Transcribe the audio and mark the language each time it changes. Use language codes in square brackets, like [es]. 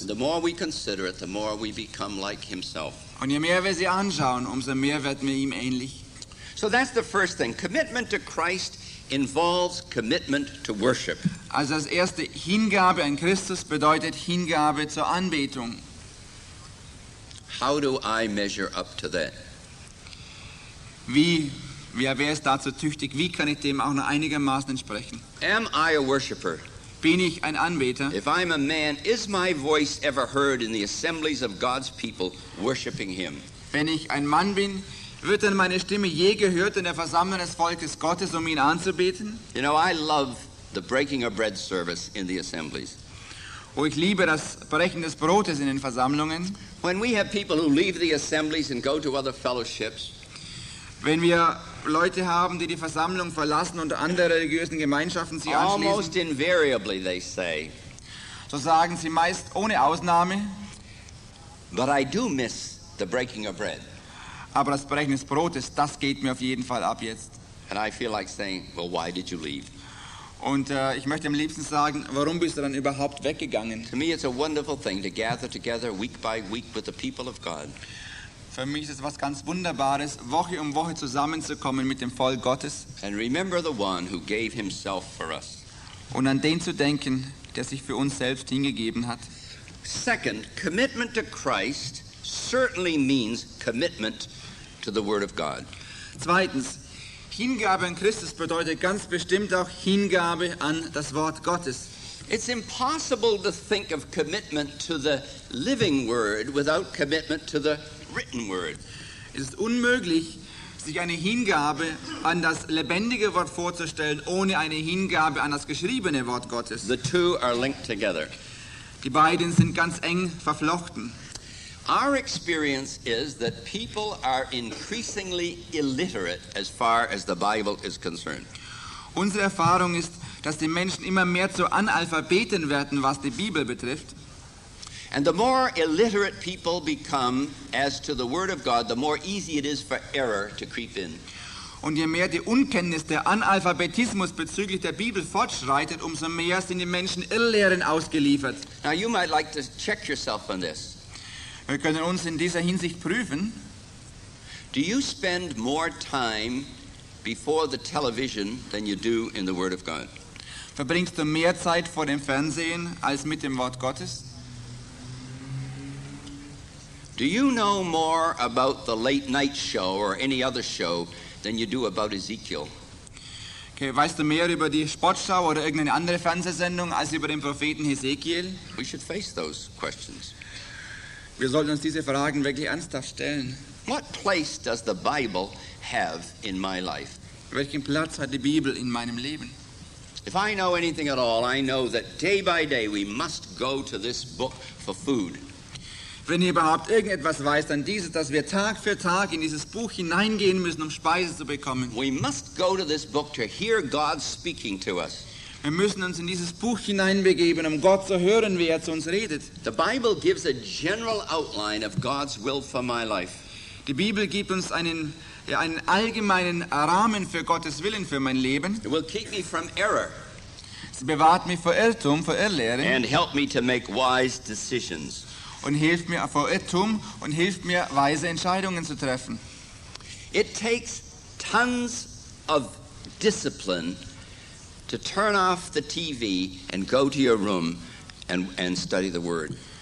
[en] The more we consider it, the more we become like himself. [de] Und je mehr wir sie anschauen, umso mehr werden wir ihm ähnlich. [en] So that's the first thing. Commitment to Christ involves commitment to worship. [de] Also das erste, Hingabe an Christus bedeutet Hingabe zur Anbetung. [en] How do I measure up to that? [de] Wie wäre es dazu tüchtig? Wie kann ich dem auch noch einigermaßen entsprechen? [en] Am I a worshipper? [de] Bin ich ein Anbeter? [en] If I'm a man, is my voice ever heard in the assemblies of God's people worshiping him? [de] Wenn ich ein Mann bin, wird denn meine Stimme je gehört in der Versammlung des Volkes Gottes, um ihn anzubeten? [en] You know, I love the breaking of bread service in the assemblies. [de] Oh, ich liebe das Brechen des Brotes in den Versammlungen. [en] When we have people who leave the assemblies and go to other fellowships. [de] Wenn wir Leute haben, die die Versammlung verlassen und andere religiösen Gemeinschaften sie anschließen. [en] Almost invariably they say. [de] So sagen sie meist ohne Ausnahme. [en] But I do miss the breaking of bread. [de] Aber das Brechen des Brotes, das geht mir auf jeden Fall ab jetzt. [en] And I feel like saying, well, why did you leave? [de] Und ich möchte am liebsten sagen, warum bist du dann überhaupt weggegangen? [en] To me it's a wonderful thing to gather together week by week with the people of God. [de] Für mich ist es was ganz Wunderbares, Woche um Woche zusammenzukommen mit dem Volk Gottes. [en] And remember the one who gave himself for us. [de] Und an den zu denken, der sich für uns selbst hingegeben hat. [en] Second, commitment to Christ certainly means commitment to the Word of God. [de] Zweitens, Hingabe an Christus bedeutet ganz bestimmt auch Hingabe an das Wort Gottes. [en] It's impossible to think of commitment to the living word without commitment to the written word. [de] Es ist unmöglich, sich eine Hingabe an das lebendige Wort vorzustellen, ohne eine Hingabe an das geschriebene Wort Gottes. [en] The two are linked together. [de] Die beiden sind ganz eng verflochten. [en] Our experience is that people are increasingly illiterate as far as the Bible is concerned. [de] Unsere Erfahrung ist, dass die Menschen immer mehr zu Analphabeten werden, was die Bibel betrifft. [en] And the more illiterate people become as to the Word of God, the more easy it is for error to creep in. [de] Und je mehr die Unkenntnis, der Analphabetismus bezüglich der Bibel fortschreitet, umso mehr sind die Menschen Irrlehren ausgeliefert. [en] Now you might like to check yourself on this. [de] Wir können uns in dieser Hinsicht prüfen. [en] Do you spend more time before the television than you do in the Word of God? [de] Verbringst du mehr Zeit vor dem Fernsehen als mit dem Wort Gottes? [en] Do you know more about the late night show or any other show than you do about Ezekiel? [de] Okay, weißt du mehr über die Sportschau oder irgendeine andere Fernsehsendung als über den Propheten Ezekiel? [en] We should face those questions. [de] Wir sollten uns diese Fragen wirklich ernsthaft stellen. [en] What place does the Bible have in my life? [de] Welchen Platz hat die Bibel in meinem Leben? [en] If I know anything at all, I know that day by day we must go to this book for food. [de] Wenn ihr überhaupt irgendetwas weißt, dann dieses, dass wir Tag für Tag in dieses Buch hineingehen müssen, um Speise zu bekommen. [en] We must go to this book to hear God speaking to us. [de] Wir müssen uns in dieses Buch hineinbegeben, um Gott zu hören, wie er zu uns redet. [en] The Bible gives a general outline of God's will for my life. [de] Die Bibel gibt uns einen allgemeinen Rahmen für Gottes Willen für mein Leben. [en] It will keep me from error. [de] Sie bewahrt mich vor Irrtum, vor Irrlehren. [en] And help me to make wise decisions. [de] Und hilft mir vor Irrtum und hilft mir, weise Entscheidungen zu treffen. [en] It takes tons of discipline to turn off the TV and go to your room and study the Word.